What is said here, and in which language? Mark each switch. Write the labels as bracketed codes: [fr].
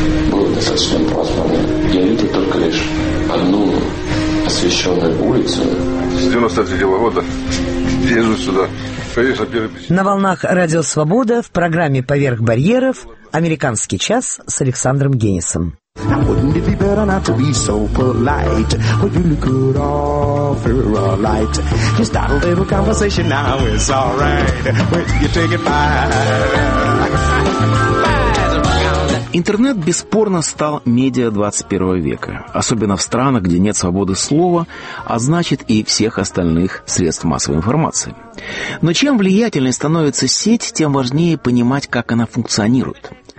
[ru] Было достаточно пасмурно. Я видел только лишь одну освещенную улицу. С 93-го года езжу сюда. Поеду первый. На волнах «Радио Свобода» в программе «Поверх барьеров» «Американский час» с Александром Генисом. [en] Now wouldn't it be better not to be so polite? Would you look good offer a light? Just start a little conversation now, it's all right. Wait, you take it back. [ru] Интернет бесспорно стал медиа 21 века, особенно в странах, где нет свободы слова, а значит и всех остальных средств массовой информации. Но чем влиятельнее становится сеть, тем важнее понимать, как она функционирует.